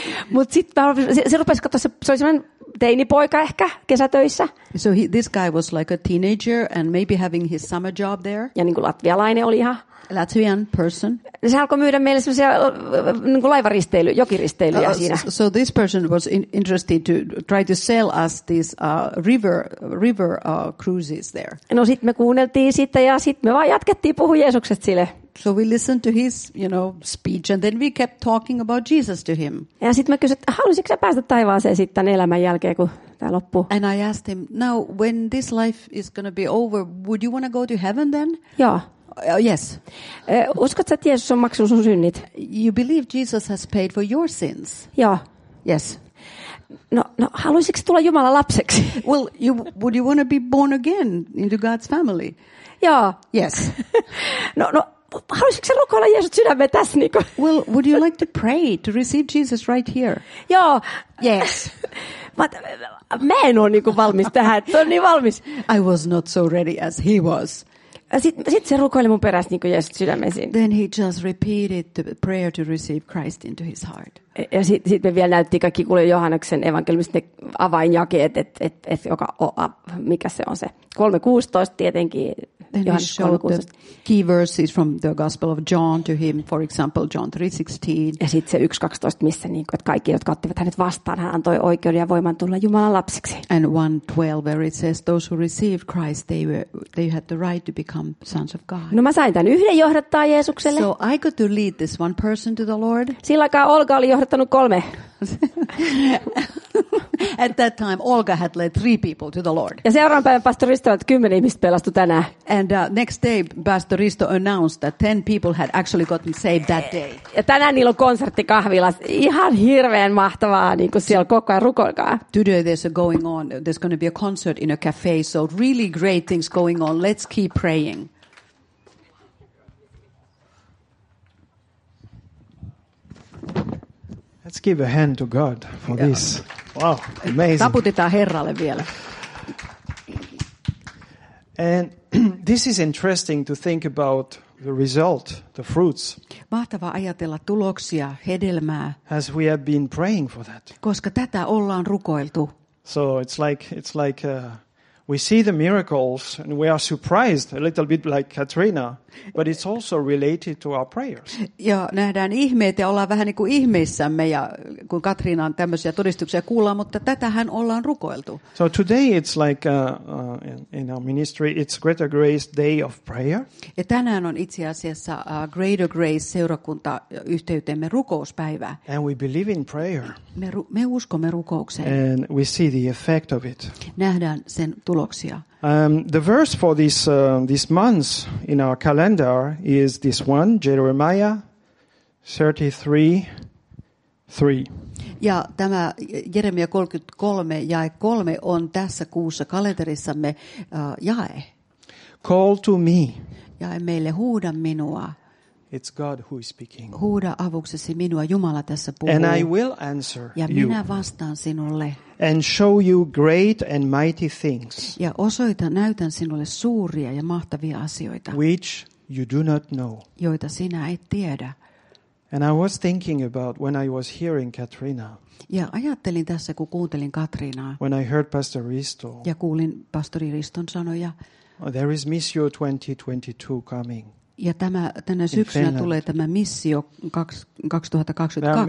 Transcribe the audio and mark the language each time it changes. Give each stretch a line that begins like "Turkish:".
Finnish: Mut sit se rupesi katsoa, se oli semmoinen teinipoika ehkä kesätöissä.
English: So this guy was like a teenager and maybe having his summer job there.
Finnish: Ja niin kuin latvialainen oli ihan.
English: Latvian person.
Finnish: Se alkoi myydä meille semmoisia niin kuin laivaristeily, jokiristeilyjä siinä.
English: So this person was interested to try to sell us these river cruises there.
Finnish: No sit me kuunneltiin sitä ja sit me vaan jatkettiin puhua Jeesuksesta sille.
English: So we listened to his, you know, speech and then we kept talking about Jesus to him.
Finnish: Ja sit me kysyt, haluaisitko sä päästä taivaaseen sit tän elämän jälkeen, kun tää loppuu?
English: And I asked him, now when this life is going to be over, would you want to go to heaven then?
Finnish: Joo.
English: Yes.
Finnish: Uskotko sä, että Jeesus on maksanut sun synnit?
English: You believe Jesus has paid for your sins?
Finnish: Joo.
English: Yes.
Finnish: No haluaisitko tulla Jumalan lapseksi?
English: Well, would you want to be born again into God's family?
Finnish: Joo.
English: Yes.
Finnish: No, haluaisitko sä rukoilla Jeesus sydämeen tässä? Niin kuin?
English: Well, would you like to pray to receive Jesus right here?
Finnish: Joo.
English: Yes. But
Finnish: mä en ole niin kuin valmis tähän. Tuo on niin valmis.
English: I was not so ready as he was.
Finnish: Sitten se rukoili mun perästä niin kuin Jeesus sydämeen.
English: Then he just repeated the prayer to receive Christ into his heart.
Finnish: Ja sit me vielä näytti kaikki kuulee Johanneksen evankeliumista ne avainjakeet, että et, joka mikä se on se 3:16 tietenkin
English: Then he showed the key verses from the Gospel of John to him, for example, John 3:16.
Finnish: Ja sitten se 1:12, missä niin kuin, että kaikki, jotka ottivat hänet vastaan, hän antoi oikeuden ja voiman tulla Jumalan lapsiksi.
English: And 1:12, where it says, those who received Christ, they had the right to become sons of God.
Finnish: No mä sain tämän yhden johdattaa Jeesukselle.
English: So I got to lead this one person to the Lord.
Finnish: Silläkään Olga oli johdattanut 3.
English: At that time, Olga had led 3 people to the Lord.
Finnish: Ja seuraavan päivän pastori Risto, että 10 ihmistä pelastui tänään.
English: And next day, Pastor Risto announced that 10 people had actually gotten saved that day.
Finnish: Ja tänään niillä on konsertti kahvilas. Ihan hirveän mahtavaa, niin kuin siellä koko ajan rukoilkaa.
English: Today there's a going on. There's going to be a concert in a cafe. So really great things going on. Let's keep praying. Let's give a hand to God for this. Wow, amazing.
Finnish: Taputetaan Herralle vielä.
English: And this is interesting to think about the result, the fruits.
Finnish: Mahtavaa ajatella tuloksia, hedelmää.
English: As we have been praying for that.
Finnish: Koska tätä ollaan rukoiltu.
English: So it's like we see the miracles and we are surprised a little bit like Katrina, but it's also related to our prayers.
Finnish: Ja nähdään ihmeet ja ollaan vähän niin kuin ihmeissämme ja kun Katrinan tämmöisiä todistuksia kuullaan, mutta tätähän ollaan rukoiltu.
English: So today it's like in our ministry it's Greater Grace Day of Prayer.
Finnish: Ja tänään on itse asiassa Greater Grace -seurakunta yhteytemme rukouspäivä.
English: And we believe in prayer.
Finnish: Me uskomme rukoukseen.
English: And we see the effect of it.
Finnish: Nähdään sen tuloksia.
English: The verse for this month in our calendar is this one, Jeremiah 33:3.
Finnish: Ja tämä Jeremia 33 jae 3 on tässä kuussa kalenterissamme jae.
English: Call to me.
Finnish: Jae meille, huuda minua.
English: It's God who is speaking.
Finnish: Huuda avuksesi minua, Jumala tässä puhuu.
English: And I will answer you.
Finnish: Ja minä vastaan sinulle.
English: And show you great and mighty things.
Finnish: Ja osoitan, näytän sinulle suuria ja mahtavia asioita.
English: Which you do not know.
Finnish: Joita sinä et tiedä.
English: And I was thinking about when I was hearing Katrina.
Finnish: Ja ajattelin tässä, kun kuuntelin Katrinaa.
English: When I heard Pastor Risto.
Finnish: Ja kuulin pastori Riston sanoja.
English: There is Missio 2022 coming.
Finnish: Ja tänä syksynä tulee tämä missio 2022.